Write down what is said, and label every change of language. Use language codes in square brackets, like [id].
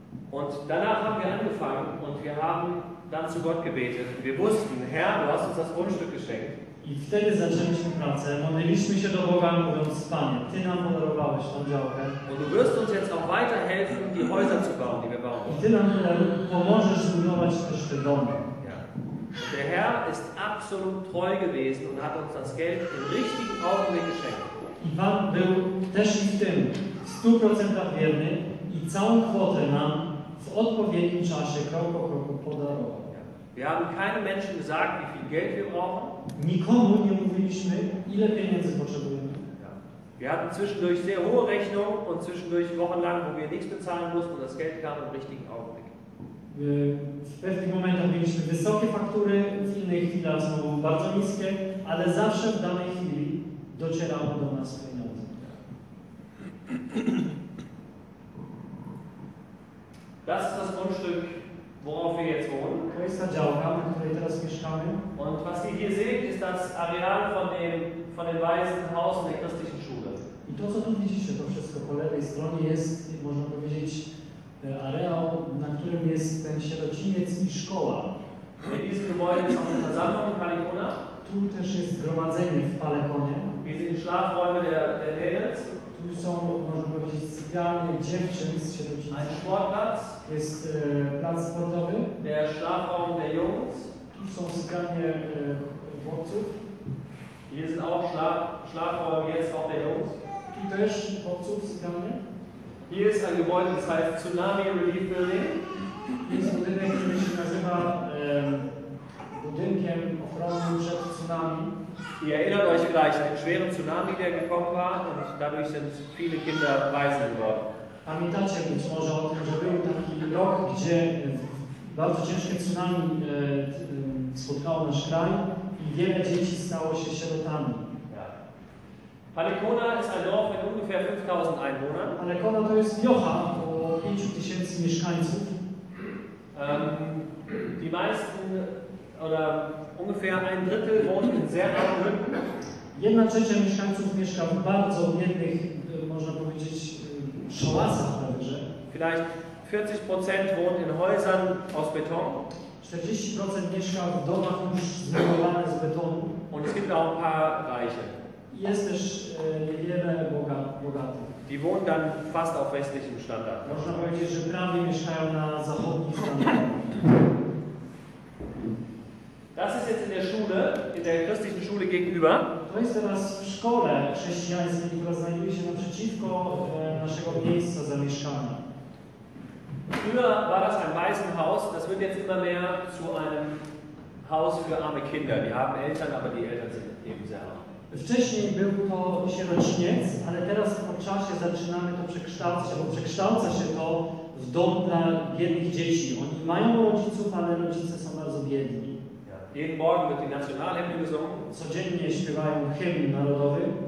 [de] Und danach haben wir angefangen und wir haben dann zu Gott gebetet. Wir wussten, Herr, du hast uns das Grundstück geschenkt. [pl] I wtedy zaczęliśmy pracę, modliliśmy się do Boga, mówiąc, Panie, Ty nam podarowałeś tą działkę. [de] Und du wirst uns jetzt auch weiter helfen, die Häuser zu bauen, die wir bauen. [pl] I Ty nam pomożesz budować też te domy. [de] Ja. Der Herr ist absolut treu gewesen und hat uns das Geld im richtigen Augenblick geschenkt. [pl] I Pan był też i w tym, 100% wierny i całą kwotę nam w odpowiednim czasie, krok po kroku podarował. [de] Wir haben keinem Menschen gesagt, wie viel Geld wir brauchen. [pl] Nikomu nie mówiliśmy, ile pieniędzy potrzebujemy. [de] Ja. Wir hatten zwischendurch sehr hohe Rechnungen und zwischendurch wochenlang, wo wir nichts bezahlen mussten und das Geld kam im richtigen Augenblick. [pl] W pewnych momentach mieliśmy wysokie faktury, w innych chwilach znowu bardzo niskie, ale zawsze w danej chwili docierały do nas pieniądze. [de] Das ist das Grundstück. Worauf wir jetzt wohnen. [pl] To jest ta działka, na której teraz mieszkamy. [de] Und was ihr hier seht, ist das Areal von dem weißen Haus der christlichen Schule. [pl] I to, co tu widzicie, to wszystko po lewej stronie jest, można powiedzieć, areał, na którym jest ten sierociniec i szkoła. [de] In diesem Gebäude ist auch eine Versammlung in Palikona. [pl] Tu też jest zgromadzenie w Palikonie. [de] Wir sind Schlafräume der Mädels. [pl] Tu są, można powiedzieć, sypialnie dziewczyn z sierocińca. [de] Ein Sportplatz. [pl] Jest plac sportowy. [de] Der Schlafraum der Jungs. [pl] Tu są sypialnie chłopców. [de] Hier sind auch Schlafraum jetzt auch der Jungs. [pl] Tu też chłopców sypialnie. [de] Hier ist ein Gebäude, das heißt Tsunami Relief Building. [pl] Jest budynek, który się nazywa budynkiem ochronnym przed tsunami. [de] Ihr erinnert euch vielleicht an den schweren Tsunami, der gekommen war, und dadurch sind viele Kinder weise geworden. [pl] Pamiętacie być może o tym, że był taki rok, gdzie bardzo ciężkie tsunami spotkało nasz kraj i wiele dzieci stało się sierotami. [de] Ja. Palikona ist ein Dorf mit ungefähr 5000 Einwohnern. [pl] Palikona to jest wiocha o 5000 mieszkańców. [de] Die meisten, oder ungefähr ein Drittel, wohnt in sehr armen Hütten. [pl] Jedna trzecia mieszkańców mieszka w bardzo biednych, można powiedzieć, szałasach także. [de] Vielleicht 40% wohnt in Häusern aus Beton. [pl] 40% mieszka w domach już zbudowanych z betonu. [de] Und es gibt auch ein paar Reiche. [pl] Jest też wiele bogatych. [de] Die wohnen dann fast auf westlichem Standard. [pl] Można powiedzieć, że prawie mieszkają na zachodnim standardzie. [de] Das ist jetzt in der Schule, in der christlichen Schule gegenüber. [pl] To jest teraz w szkole chrześcijańskiej, która znajduje się naprzeciwko naszego miejsca zamieszkania. [de] Früher war das ein Waisenhaus, das wird jetzt immer mehr zu einem Haus für arme Kinder. Die haben Eltern, aber die Eltern sind eben sehr arm. [pl] Wcześniej był to sierociniec, ale teraz po czasie zaczynamy to przekształcać, albo przekształca się to w dom dla biednych dzieci. Oni mają rodziców, ale rodzice są bardzo biedni. [de] Jeden morgen wird die Nationalhymne gesungen. [pl] Codziennie śpiewają hymn narodowy.